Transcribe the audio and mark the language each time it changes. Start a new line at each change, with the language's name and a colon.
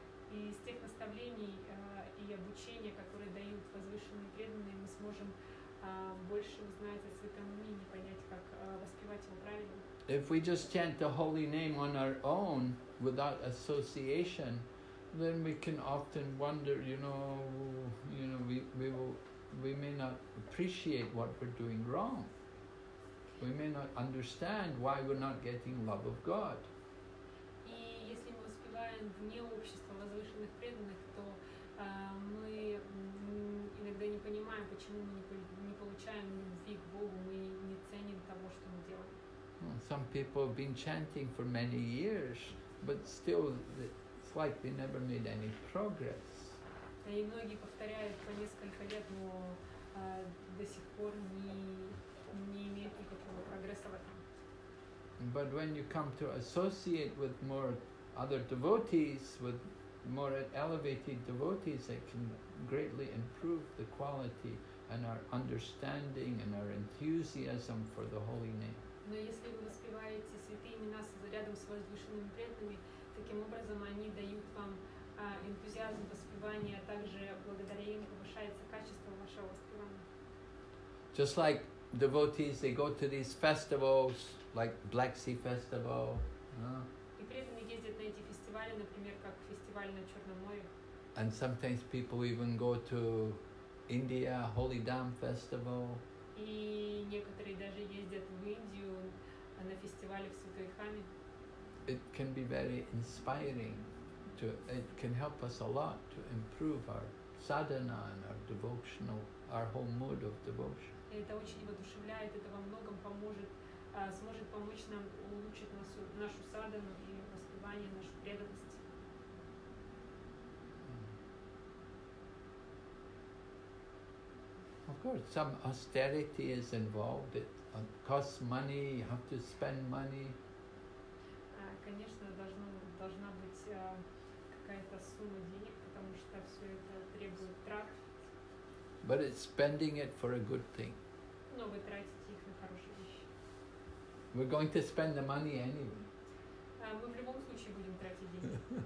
Russian: И из тех наставлений и обучения, которые дают возвышенные преданные, мы сможем больше узнать о святом имени, понять, как воспевать его правильно.
English: If we just chant the holy name on our own without association, then we can often wonder, you know, we may not appreciate what we're doing wrong. We may not understand why we're not getting love of God.
Russian: И если мы воспеваем вне общества возвышенных преданных, то мы иногда не понимаем, почему мы не получаем любви к Богу, мы не ценим того, что мы делаем.
English: Some people have been chanting for many years, but still, it's like they never made any progress.
Russian: И многие повторяют по несколько лет, но до сих пор не имеют никакого прогресса в этом.
English: But when you come to associate with more other devotees, with more elevated devotees, it can greatly improve the quality and our understanding and our enthusiasm for the holy name.
Russian: Но если вы воспеваете святые имена рядом с возвышенными преданными, таким образом они дают вам энтузиазм воспевания, а также благодаря им повышается качество вашего воспевания.
English: Just like devotees, they go to these festivals, like Black Sea Festival.
Russian: И преданные ездят на эти фестивали, например, как фестиваль на Черном море.
English: And sometimes people even go to India, Holy Dam Festival.
Russian: И некоторые даже ездят в Индию на фестивале в Святой Хаме.
English: It can be very inspiring. It can help us a lot to improve our sadhana and our devotional, our whole mood of devotion.
Russian: Это очень воодушевляет, это во многом поможет, сможет помочь нам улучшить нашу садхану и воспевание, нашу преданность.
English: Of course, some austerity is involved. It costs money, you have to spend money.
Russian: Конечно, должна быть какая-то сумма денег, потому что все это требует трат.
English: But it's spending it for a good thing.
Russian: Но вы тратите их на хорошие вещи.
English: We're going to spend the money anyway.
Russian: Мы в любом случае будем тратить деньги.